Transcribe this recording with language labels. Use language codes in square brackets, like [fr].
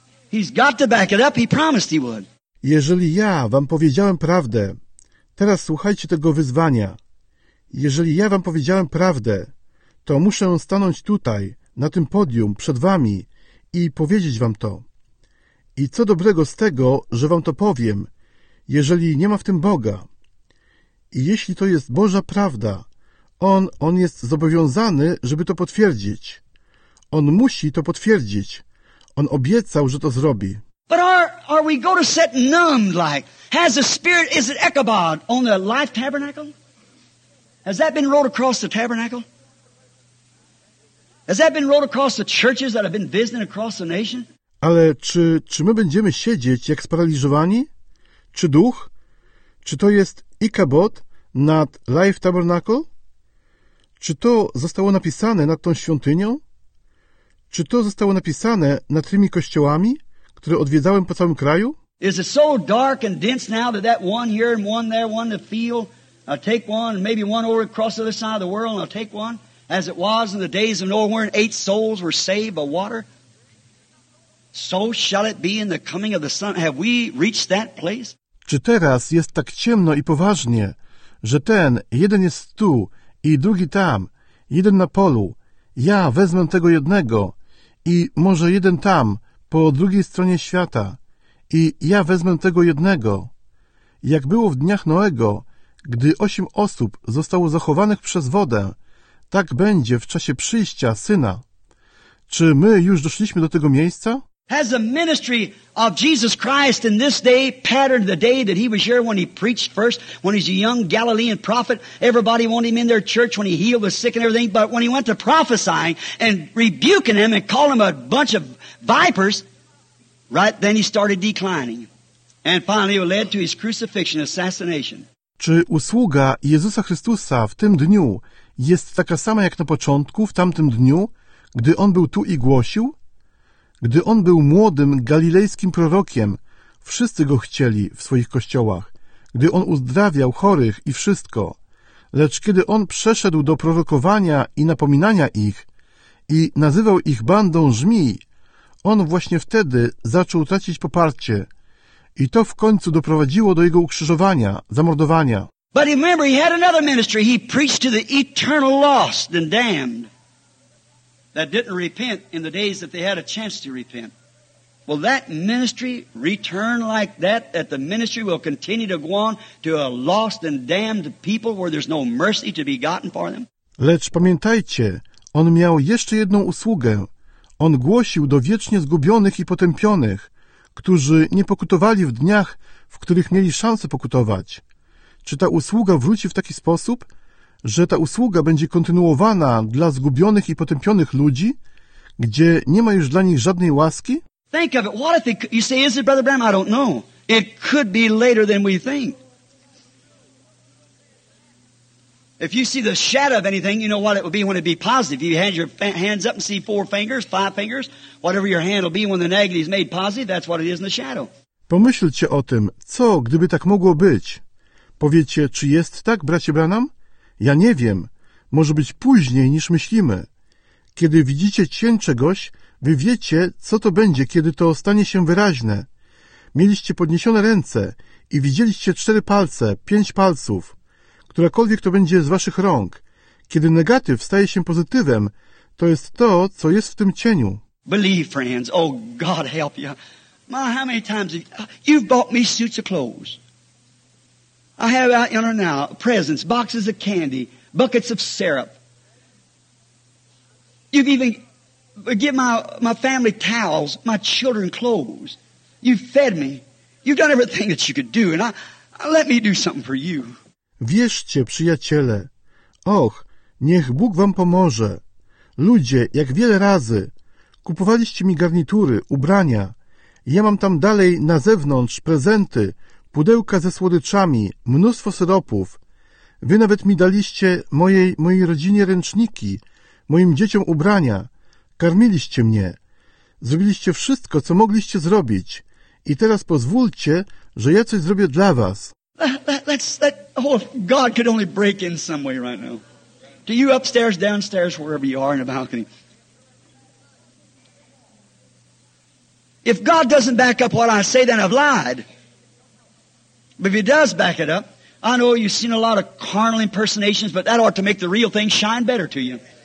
[en] He's got to back it up. He promised he would. [pl] Jeżeli ja wam powiedziałem prawdę, teraz słuchajcie tego wyzwania. Jeżeli ja wam powiedziałem prawdę, to muszę stanąć tutaj, na tym podium, przed wami i powiedzieć wam to. I co dobrego z tego, że wam to powiem, jeżeli nie ma w tym Boga? I jeśli to jest Boża prawda, On jest zobowiązany, żeby to potwierdzić. On musi to potwierdzić. On obiecał, że to zrobi. [en] But are we going to sit numb like? Has the Spirit, is it Ichabod on the life tabernacle? Has that been rolled across the tabernacle? Has that been rolled across the churches that have been visiting across the nation? [pl] Ale czy my będziemy siedzieć jak sparaliżowani? Czy duch? Czy to jest Ichabod nad life tabernacle? Czy to zostało napisane nad tą świątynią? Czy to zostało napisane nad tymi kościołami, które odwiedzałem po całym kraju? [en] Is it so dark and dense now that that one here and one there, one to feel, I'll take one, maybe one over across the other side of the world, and I'll take one, as it was in the days of Noah, when 8 souls were saved by water? So shall it be in the coming of the Son. Have we reached that place? [pl] Czy teraz jest tak ciemno i poważnie, że ten jeden jest tu i drugi tam, jeden na polu, ja wezmę tego jednego i może jeden tam, po drugiej stronie świata i ja wezmę tego jednego. Jak było w dniach Noego, gdy 8 osób zostało zachowanych przez wodę, tak będzie w czasie przyjścia Syna. Czy my już doszliśmy do tego miejsca? [en] Has the ministry of Jesus Christ in this day patterned the day that he was here when he preached first, when he's a young Galilean prophet, everybody wanted him in their church when he healed the sick and everything, but when he went to prophesying and rebuking them and calling them a bunch of vipers, right then he started declining. And finally it led to his crucifixion, assassination. [pl] Czy usługa Jezusa Chrystusa w tym dniu jest taka sama jak na początku, w tamtym dniu, gdy on był tu i głosił? Gdy on był młodym galilejskim prorokiem, wszyscy go chcieli w swoich kościołach, gdy on uzdrawiał chorych i wszystko. Lecz kiedy on przeszedł do prorokowania i napominania ich i nazywał ich bandą żmi, on właśnie wtedy zaczął tracić poparcie i to w końcu doprowadziło do jego ukrzyżowania, zamordowania. [en] But remember, he had another ministry. He preached to the eternal lost and damned that didn't repent in the days that they had a chance to repent. Will that ministry return like that, that the ministry will continue to go on to a lost and damned people where there's no mercy to be gotten for them? [pl] Lecz pamiętajcie, on miał jeszcze jedną usługę. On głosił do wiecznie zgubionych i potępionych, którzy nie pokutowali w dniach, w których mieli szansę pokutować. Czy ta usługa wróci w taki sposób, że ta usługa będzie kontynuowana dla zgubionych i potępionych ludzi, gdzie nie ma już dla nich żadnej łaski? [en] Think of it. What if it, you say, is it Brother Branham? I don't know. It could be later than we think. If you see the shadow of anything, you know what it would be when it would be positive. You had your hands up and see four fingers, five fingers, whatever your hand will be when the negative is made positive, that's what it is in the shadow. [pl] Pomyślcie o tym, co gdyby tak mogło być? Powiecie, czy jest tak, bracie Branham? Ja nie wiem. Może być później niż myślimy. Kiedy widzicie cień czegoś, wy wiecie, co to będzie, kiedy to stanie się wyraźne. Mieliście podniesione ręce i widzieliście cztery palce, pięć palców. Którakolwiek to będzie z waszych rąk. Kiedy negatyw staje się pozytywem, to jest to, co jest w tym cieniu. [en] Believe, friends. Oh, God help you. My, how many times have you bought me suits of clothes? I have out yonder now presents, boxes of candy, buckets of syrup. You've even given my family towels, my children clothes. You've fed me. You've done everything that you could do, and I let me do something for you. [pl] Wierzcie, przyjaciele. Och, niech Bóg wam pomoże. Ludzie, jak wiele razy kupowaliście mi garnitury, ubrania. Ja mam tam dalej na zewnątrz prezenty, pudełka ze słodyczami, mnóstwo syropów. Wy nawet mi daliście mojej rodzinie ręczniki, moim dzieciom ubrania. Karmiliście mnie. Zrobiliście wszystko, co mogliście zrobić. I teraz pozwólcie, że ja coś zrobię dla was. [en] God could only break in some way right now. To you upstairs, downstairs, wherever you are in the balcony. If God doesn't back up what I say, then I've lied. But if he does back it up, I know you've seen a lot of carnal impersonations, but that ought to make the real thing shine better to you.